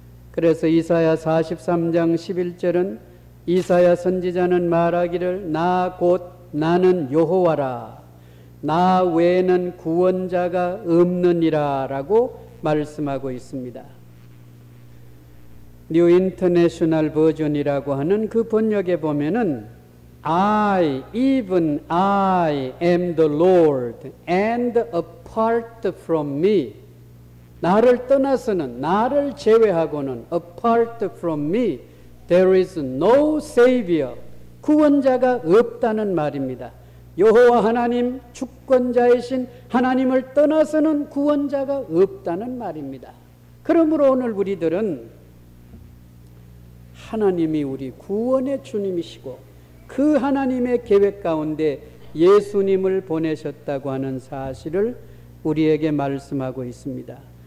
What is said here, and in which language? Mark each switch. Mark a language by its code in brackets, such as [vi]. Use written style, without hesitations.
[ko] 그래서 이사야 43장 11절은 이사야 선지자는 말하기를 나 곧 나는 여호와라 나 외에는 구원자가 없느니라 라고 말씀하고 있습니다. 뉴 인터내셔널 버전이라고 하는 그 번역에 보면은 [en] I, even I am the Lord and apart from me [ko] 나를 떠나서는 나를 제외하고는 [en] apart from me there is no savior [ko] 구원자가 없다는 말입니다. 여호와 하나님 주권자이신 하나님을 떠나서는 구원자가 없다는 말입니다. 그러므로 오늘 우리들은 하나님이 우리 구원의 주님이시고 그 하나님의 계획 가운데 예수님을 보내셨다고 하는 사실을 우리에게 말씀하고 있습니다.